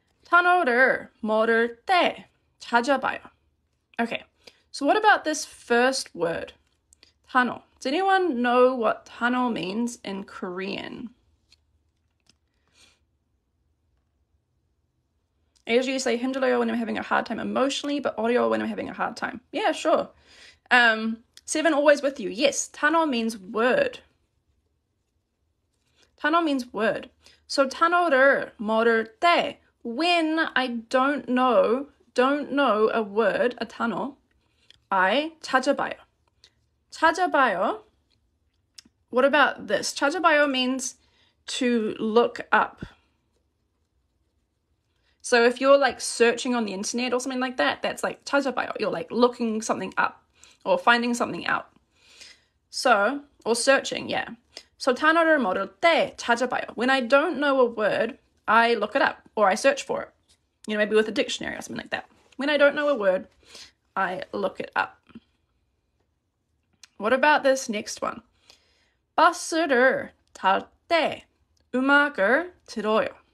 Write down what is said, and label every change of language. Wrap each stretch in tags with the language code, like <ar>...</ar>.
<ko>단어를 모를 때 찾아봐요.</ko> <en>Okay. So what about this first word? 단어. Does anyone know what 단어 means in Korean? I usually say 힘들어요 when I'm having a hard time emotionally, but 어려워 when I'm having a hard time. Yeah, sure. Seven always with you. Yes, 단어 means word. 단어 means word. So</en> <ko>단어를 모를 때,</ko> <en>when I don't know a word, a 단어, I</en> <ko>찾아봐요. 찾아봐요.</ko> <en>What about this? 찾아봐요 means to look up. So if you're like searching on the internet or something like that, that's like 찾아봐요. You're like looking something up or finding something out. So, or searching, yeah.</en> <ko>So 단어를 모를 때 찾아봐요.</ko> <en>When I don't know a word, I look it up or I search for it. You know, maybe with a dictionary or something like that. When I don't know a word, I look it up. What about this next one?</en> <ko>버스를 탈때 음악을 들어요.</ko>